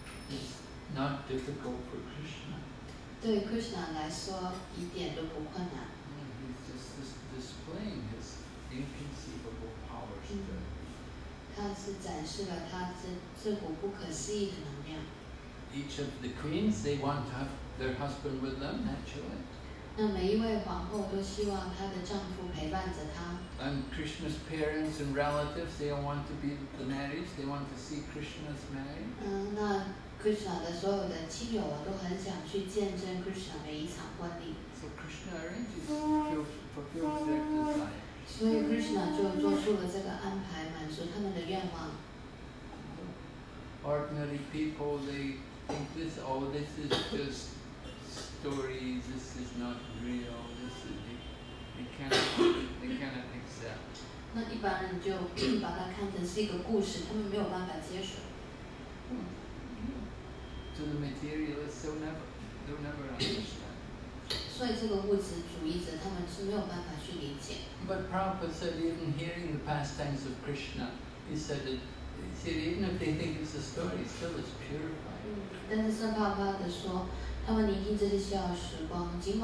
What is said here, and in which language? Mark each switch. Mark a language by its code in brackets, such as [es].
[en] It's not difficult for Krishna. [zh] 对 Krishna 来说，一点都不困难。 [en] He's just displaying his inconceivable powers to them. [zh] 他是展示了他这股不可思议的能量。 [en] Each of the queens, they want to have their husband with them, naturally. [zh] 那每一位皇后都希望她的丈夫陪伴着她。 [en] And Krishna's parents and relatives, they all want to be the marriage. They want to see Krishna's marriage. [zh] 那 Krishna 的所有的亲友都很想去见证 Krishna 每一场婚礼。 [en] So Krishna fulfills their desire. [zh] 所以 Krishna 就做出了这个安排，满足他们的愿望。 [en] Ordinary people, they think this, oh, this is just stories, this is not real, this is, they cannot accept. [zh] 那一般人就把它看成是一个故事，他们没有办法接受。 [en] To the materialists, they'll never understand. [zh] 所以这个物质主义者，他们是没有办法去理解。 [en] But Prabhupada said, even hearing the pastimes of Krishna, he said that. See, even if they think it's a story, still it's purified.